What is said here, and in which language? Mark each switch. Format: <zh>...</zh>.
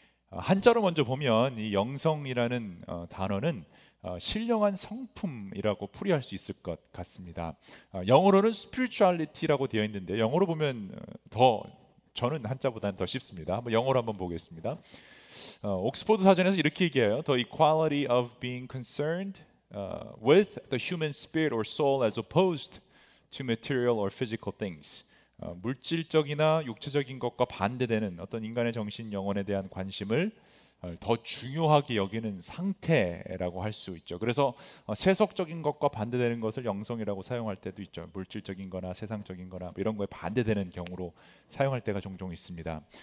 <ko>한자로 먼저 보면 이 영성이라는 단어는 신령한 성품이라고 풀이할 수 있을 것 같습니다. 영어로는 spirituality라고 되어 있는데 영어로 보면 더 저는 한자보다는 더 쉽습니다. 한번 영어로 한번 보겠습니다. 옥스퍼드 사전에서 이렇게 얘기해요.</ko> <en>The equality of being concerned with the human spirit or soul as opposed to material or physical things.</en> <ko>물질적이나 육체적인 것과 반대되는 어떤 인간의 정신, 영혼에 대한 관심을 더 중요하게 여기는 상태라고 할수 있죠. 그래서 세속적인 것과 반대되는 것을 영성이라고 사용할 때도 있죠. 물질적인 거나 세상적인 거나 이런 거에 반대되는 경우로 사용할 때가 종종 있습니다.</ko>